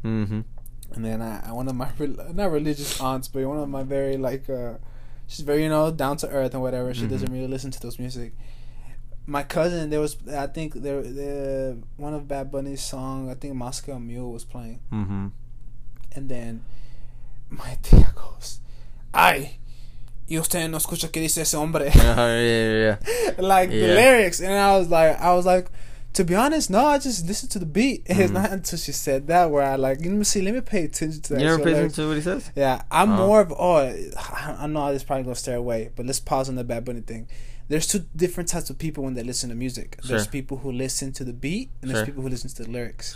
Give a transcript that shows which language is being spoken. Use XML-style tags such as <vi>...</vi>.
<en>Mm-hmm. And then I one of my, not religious aunts, but one of my very, like, she's very, you know, down to earth and whatever. She mm-hmm. doesn't really listen to those music. My cousin, there was, I think, one of Bad Bunny's songs, I think Moscow Mule was playing. Mm-hmm. And then my tia goes,</en> <es>ay, y usted no escucha que dice ese hombre.</es> <en>Yeah. Like, yeah, the lyrics. And I was like, to be honest, no, I just listened to the beat. Mm-hmm. It's not until she said that where I, like, let me pay attention to that. You never pay attention to what he says? Yeah. I'm more of, I know this probably going to stare away, but let's pause on the Bad Bunny thing. There's two different types of people when they listen to music. Sure. There's people who listen to the beat, and there's people who listen to the lyrics.</en>